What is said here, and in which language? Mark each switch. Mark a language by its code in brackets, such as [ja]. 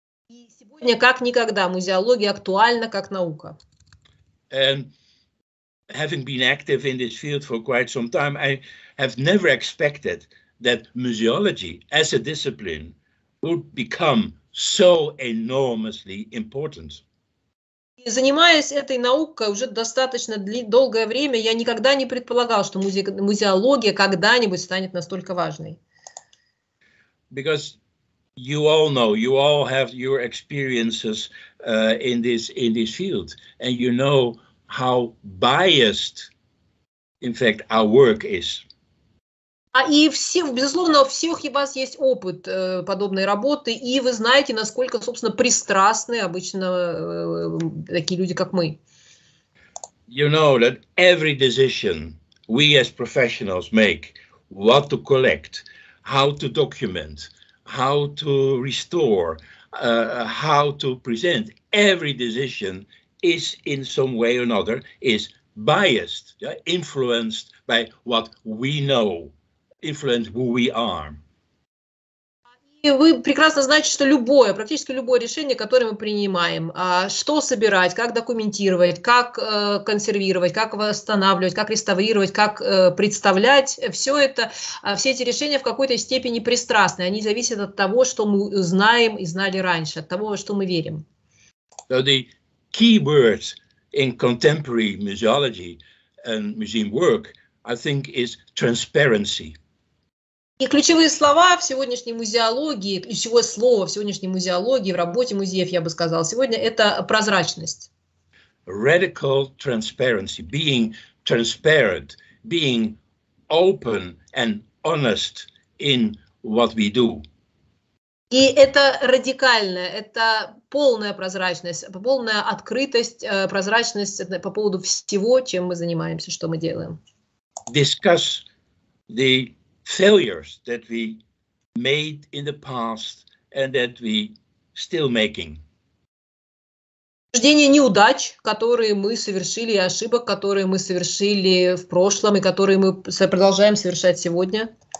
[ru] И сегодня как никогда музеология актуальна как наука. [en] And having been active in this field for quite some time, I have never expected that museology as a discipline would become so enormously important. [ru] И занимаясь этой наукой уже достаточно долгое время, я никогда не предполагал, что музеология когда-нибудь станет настолько важной. [en] Because you all know, you all have your experiences in this field, and you know how biased, in fact, our work is. [ru] И все, безусловно, у всех у вас есть опыт подобной работы, и вы знаете, насколько, собственно, пристрастны обычно такие люди, как мы. [en] You know that every decision we as professionals make, what to collect, how to document, how to restore, how to present, every decision is in some way or another is biased, yeah, influenced by what we know. Influence who we are. [ru] Вы прекрасно знаете, что любое, практически любое решение, которое мы принимаем, что собирать, как документировать, как консервировать, как восстанавливать, как реставрировать, как представлять, все это, все эти решения в какой-то степени пристрастны. Они зависят от того, что мы знаем и знали раньше, от того, во что мы верим. [en] So the key words in contemporary museology and museum work, I think, is transparency. [ru] И ключевые слова в сегодняшней музеологии, ключевое слово в сегодняшней музеологии, в работе музеев, я бы сказал, сегодня это прозрачность. [en] Radical transparency, being transparent, being open and honest in what we do. [ru] И это радикальное, это полная прозрачность, полная открытость, прозрачность по поводу всего, чем мы занимаемся, что мы делаем. [en] Discuss the failures that we made in the past and that we still making. [ru] Обсуждение неудач, которые мы совершили, и ошибок, которые мы совершили в прошлом и которые мы продолжаем совершать сегодня.